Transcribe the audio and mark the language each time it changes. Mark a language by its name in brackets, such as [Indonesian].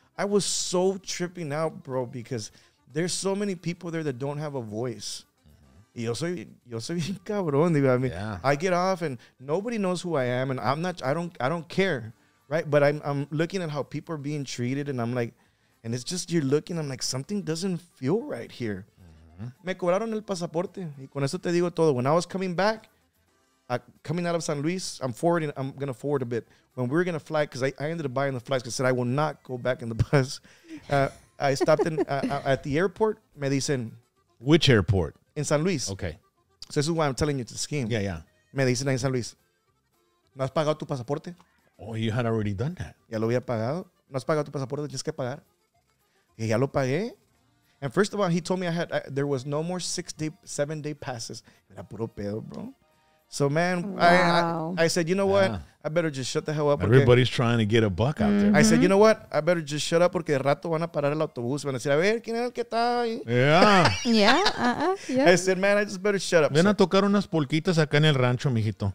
[English] I was so tripping out, bro, because there's so many people there that don't have a voice. [Spanish] Yo soy bien cabrón, digo. [English] I mean, yeah. I get off and nobody knows who I am, and I don't care, right? But I'm looking at how people are being treated, and I'm like, and it's just, you're looking, I'm like, something doesn't feel right here. [Spanish] Me cobraron el pasaporte, y con eso te digo todo. [English] When I was coming back, coming out of San Luis, I'm going to forward a bit. When we were going to fly, because I ended up buying the flights, because I said I will not go back in the bus. I stopped in at the airport. [Spanish] Me dicen. [English] Which airport? In San Luis. Okay. So this is why I'm telling you to scheme. Yeah, yeah. [Spanish] Me dicen ahí en San Luis. ¿No has pagado tu pasaporte? [English] Oh, you had already done that. [Spanish] Ya lo había pagado. ¿No has pagado tu pasaporte? Tienes que pagar. Y ya lo pagué. [English] And first of all, he told me there was no more seven-day passes. [Spanish] Era puro pedo, bro. [English] So, man, wow. I said, you know what? Yeah. I better just shut the hell up. Everybody's trying to get a buck out there. Mm-hmm. I said, you know what? I better just shut up [Spanish] porque de rato van a parar el autobús. Van a decir, a ver, ¿quién es el que está ahí? [English] Yeah. Yeah. I said, man, I just better shut up. [Spanish] Ven a tocar unas polquitas acá en el rancho, mijito.